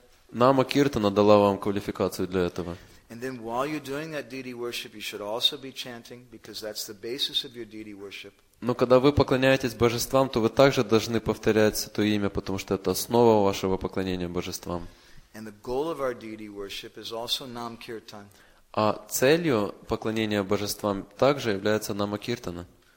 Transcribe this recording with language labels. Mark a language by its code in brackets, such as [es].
[ru] Намакиртана дала вам квалификацию для этого. [en] And then while you're doing that deity worship, you should also be chanting, because that's the basis of your deity worship. [ru] Но когда вы поклоняетесь божествам, то вы также должны повторять Святое Имя, потому что это основа вашего поклонения божествам. [en] And the goal of our deity worship is also Namkirtan. [ru] А целью поклонения божествам также является Намакиртана.